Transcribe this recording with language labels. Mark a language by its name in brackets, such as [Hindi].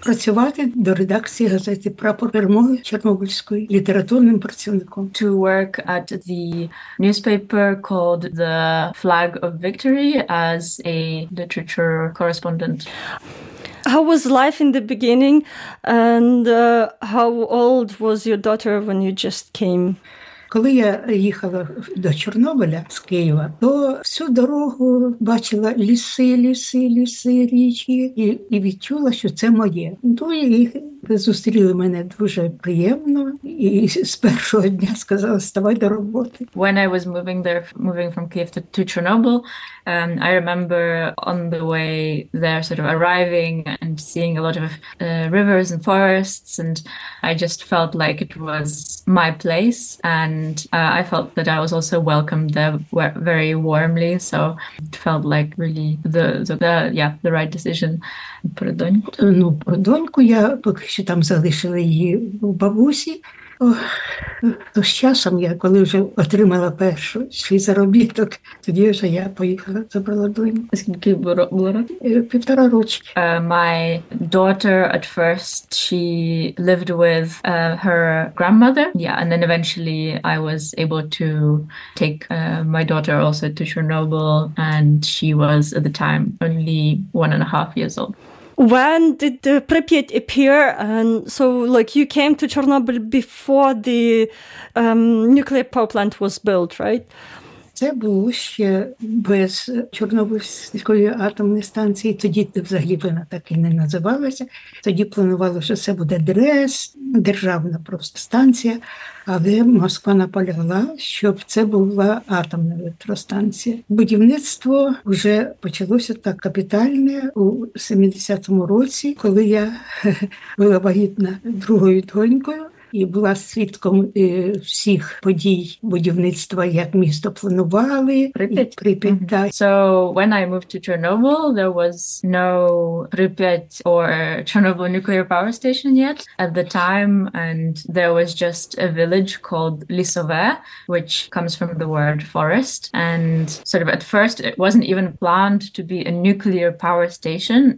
[Ukrainian] Працювати до редакції газети «Прапор перемоги» чорнобильської літературним працівником. [English] To work at the newspaper called «The Flag of Victory» as a literature correspondent. How was life in the beginning, and how old was your daughter when you just came? [Ukrainian] Коли я їхала до Чорнобиля з Києва, то всю дорогу бачила ліси, ліси, ліси, річки, і відчула, що це моє. Ну, і зустріли мене дуже приємно, і з першого дня сказали, вставай до роботи. [English] When I was moving there, moving from Kiev to Chernobyl, I remember on the way there sort of arriving and seeing a lot of rivers and forests, and I just felt like it was my place, and I felt that I was also welcomed there very warmly, so it felt like really the right decision. [Ukrainian] Про доньку? Ну, про доньку я поки що там залишила її у бабусі. То з часом я, коли вже отримала першу свій заробіток, тоді вже я поїхала, забрала доньку. Скільки було років? Півтора рочки. [English] My daughter, at first, she lived with her grandmother. Yeah, and then eventually I was able to take my daughter also to Chernobyl, and she was at the time only 1.5 years old. When did the Pripyat appear? And so, like, you came to Chernobyl before the nuclear power plant was built, right? [Ukrainian] Це було ще без Чорнобильської атомної станції. Тоді взагалі вона так і не називалася. Тоді планувалося, що це буде ДРС, державна просто станція. Але Москва наполягла, щоб це була атомна електростанція. Будівництво вже почалося так капітальне у 70-му році, коли я була вагітна другою донькою. І була свідком всіх подій будівництва, як місто планували. Припять. Mm-hmm. [English] So, when I moved to Chernobyl, there was no Pripyat or Chernobyl nuclear power station yet at the time. And there was just a village called Lisove, which comes from the word forest. And sort of at first, it wasn't even planned to be a nuclear power station.